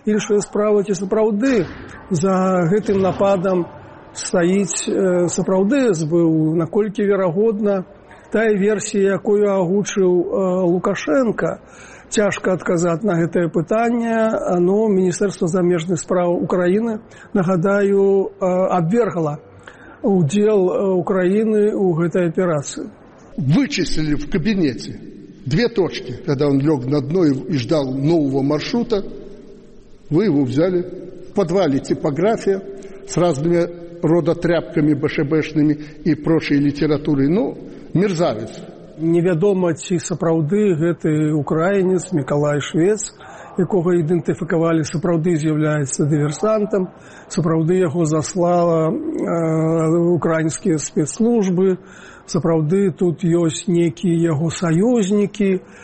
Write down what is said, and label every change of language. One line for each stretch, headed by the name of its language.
Belarusian: Іншая справа, ці сапраўды за гэтым нападам стаіць сапраўды СБУ, наколькі верагодна тая версія, якую агучыў Лукашэнка. Цяжка адказаць на гэтае пытанне, но Міністэрства замежных справ Украіны, нагадаю, абвергла
Russian: удел Украины у этой операции. Вычислили в кабинете две точки, когда он лег на дно и ждал нового маршрута. Вы его взяли. В подвале типография с разными родотряпками БШБшными и прочей литературой. Ну, мерзавец.
Belarusian: Невядома, ці сапраўды гэты украінец Мікалай Швец, якога ідэнтыфікавалі, сапраўды з'яўляецца дыверсантам, сапраўды яго заслала украінскія спецслужбы, сапраўды тут ёсць нейкія яго саюзнікі.